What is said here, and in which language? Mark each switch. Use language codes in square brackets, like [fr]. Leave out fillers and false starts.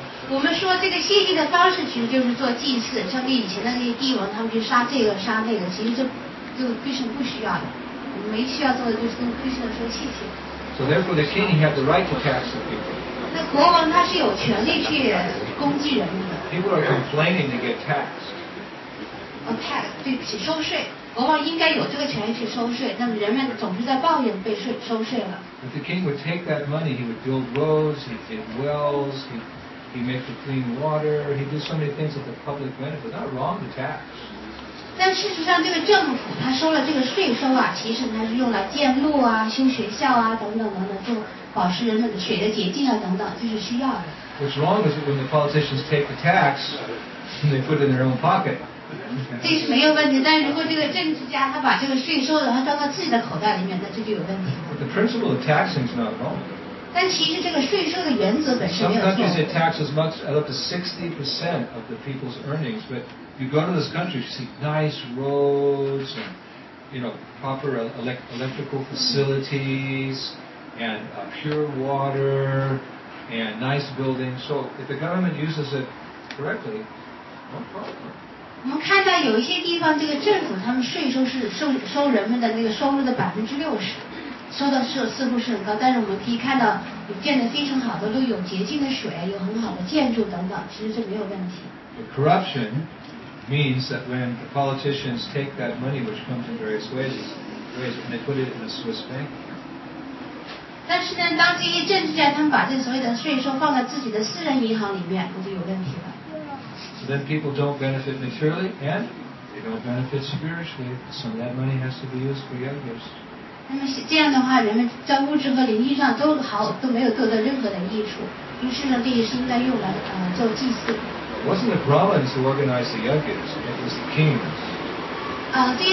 [zh] 我们说这个献祭的方式其实就是做祭祀，像以前的那些帝王，他们去杀这个杀那个，其实就必须不需要的，我们没需要做的就是跟必须的说谢谢。 [en] So therefore, the king had the right to tax the people. [zh] 那国王他是有权利去攻击人的。 [en] People are complaining to get taxed. [zh] Tax, 对不起，收税。国王应该有这个权利去收税，那么人们总是在抱怨被税收税了。 [en] If the king would take that money, he would build roads, he'd dig wells, he'd make the clean water, he'd do so many things that the public benefit. Not wrong to tax. [zh] 但事实上，这个政府他收了这个税收啊，其实他是用来建路啊、修学校啊等等等等，就保持人们的水的洁净啊等等，就是需要的。 [en] What's wrong is when the politicians take the tax and they put it in their own pocket. [zh] 这是没有问题，但如果这个政治家他把这个税收的他装到自己的口袋里面，那这就有问题。 [en] But the principle of taxing is not wrong. [zh] 但其实这个税收的原则本身没有错。 [en] Some countries they tax as much as up to 60% of the people's earnings, but You go to this country, you see nice roads and, you know, proper electrical facilities and pure water and nice buildings. So if the government uses it correctly, no problem. [zh] 我们看到有一些地方，这个政府他们税收是收人们的那个收入的60%，收的是似乎是很高。但是我们可以看到，有建的非常好的路，有洁净的水，有很好的建筑等等，其实这没有问题。 [en] Corruption. Means that when the politicians take that money, which comes in various ways, and they put it in a Swiss bank. [zh] 但是呢，当这些政治家他们把这所有的税收放在自己的私人银行里面，那就有问题了。 [en] So then people don't benefit materially, and they don't benefit spiritually. So that money has to be used for yogas. [zh] 那么这样的话，人们在物质和灵性上都没有得到任何的益处，于是呢，这也是应该用来做祭祀。 [en] It wasn't the Brahmins who organized the yagyas, it was the kings.